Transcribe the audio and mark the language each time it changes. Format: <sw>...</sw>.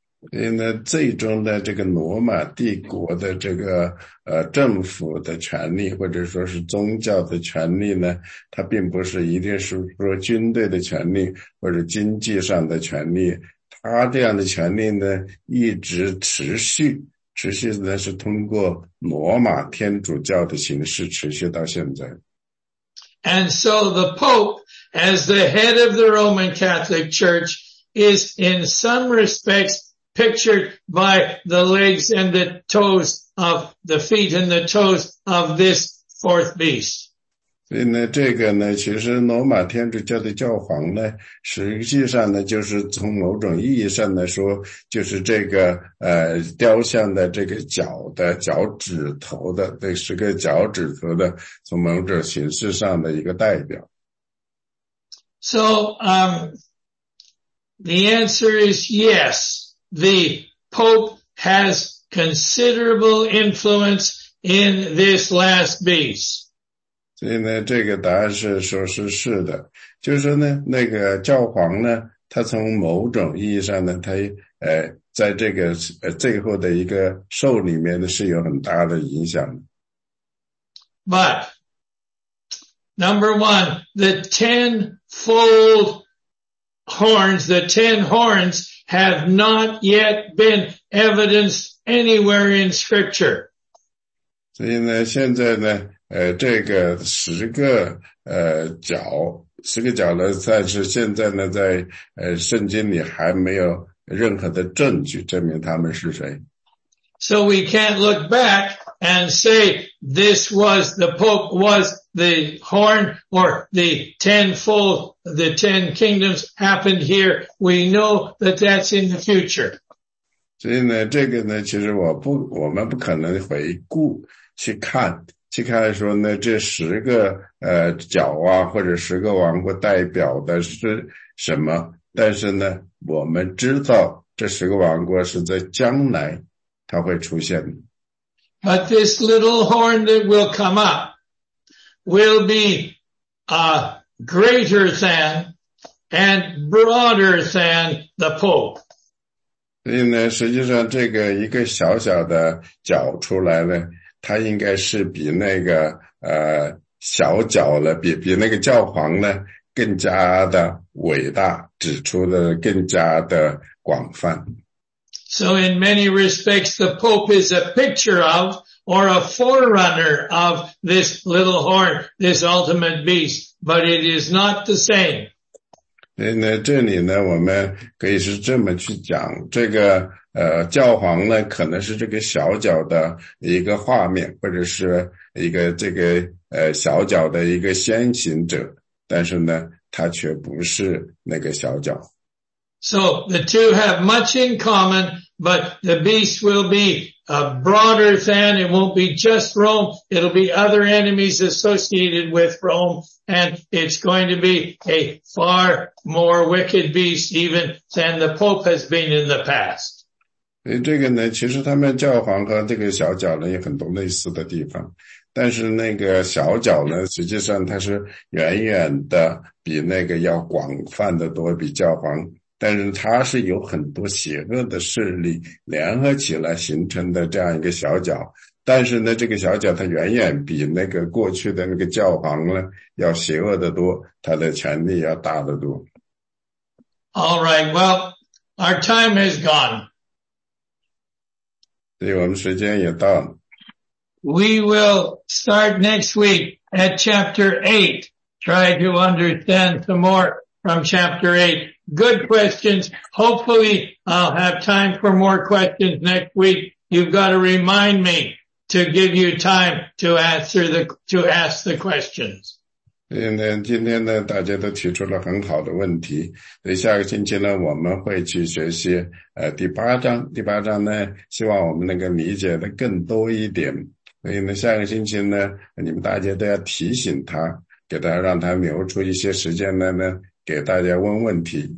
<zh>所以呢，最终呢，这个罗马帝国的这个政府的权力或者说是宗教的权力呢，它并不是一定是说军队的权力或者经济上的权力，它这样的权力呢一直持续呢是通过罗马天主教的形式持续到现在。</zh> <en>And so the Pope, as the head of the Roman Catholic Church, is in some respects pictured by the legs and the toes of the feet and the toes of this fourth beast.</en> <zh>所以呢，这个呢，其实罗马天主教的教皇呢，实际上呢，就是从某种意义上来说，就是这个雕像的这个脚的脚趾头的，对，是个脚趾头的，从某种形式上的一个代表。</zh> <en>So, the answer is yes. The Pope has considerable influence in this last beast.</en> <zh>所以呢，这个答案是说是是的，就是呢，那个教皇呢，他从某种意义上呢，他在这个最后的一个兽里面呢，是有很大的影响的。</zh> <en>But number one, the tenfold horns, the ten horns. Have not yet been evidenced anywhere in scripture.</en> <zh>所以呢，现在呢，这个十个角呢，但是现在呢，在圣经里还没有任何的证据证明他们是谁。</zh> <en>So we can't look back and say this was the Pope was the horn or the tenfold, the ten kingdoms happened here. We know that that's in the future.</en> <zh>所以呢，这个呢，其实我们不可能回顾去看说呢，这十个角啊，或者十个王国代表的是什么？但是呢，我们知道这十个王国是在将来。它会出现的。</zh> <en>But this little horn that will come up will be greater than and broader than the Pope.</en> <zh>所以呢，实际上这个一个小小的角出来呢，它应该是比那个小角了，比那个教皇呢更加的伟大，指出的更加的广泛。</zh> <en>So in many respects, the Pope is a picture of or a forerunner of this little horn, this ultimate beast, but it is not the same.</en> <zh>那这里呢，我们可以是这么去讲，这个教皇呢，可能是这个小角的一个画面，或者是一个这个小角的一个先行者，但是呢，他却不是那个小角。</zh> <en>So the two have much in common, but the beast will be a broader than, it won't be just Rome, it'll be other enemies associated with Rome, and it's going to be a far more wicked beast even than the Pope has been in the past.</en> <zh>所以这个呢，其实他们教皇和这个小角呢有很多类似的地方，但是那个小角呢，实际上它是远远的比那个要广泛的多，比教皇。但是它是有很多邪恶的势力联合起来形成的这样一个小角，但是呢，这个小角它远远比那个过去的那个教皇呢要邪恶的多，它的权力要大得多。</zh> <en>All right, well, our time is gone.</en> <zh>对，我们时间也到了。</zh> <en>We will start next week at chapter 8. Try to understand some more from chapter 8. Good questions. Hopefully I'll have time for more questions next week. You've got to remind me to give you time to answer the, to ask the questions.</en> <zh>今天呢大家都提出了很好的问题。下个星期呢我们会去学习第八章。第八章呢希望我们能够理解的更多一点。所以呢下个星期呢你们大家都要提醒他，给他让他留出一些时间来呢给大家问问题。</zh>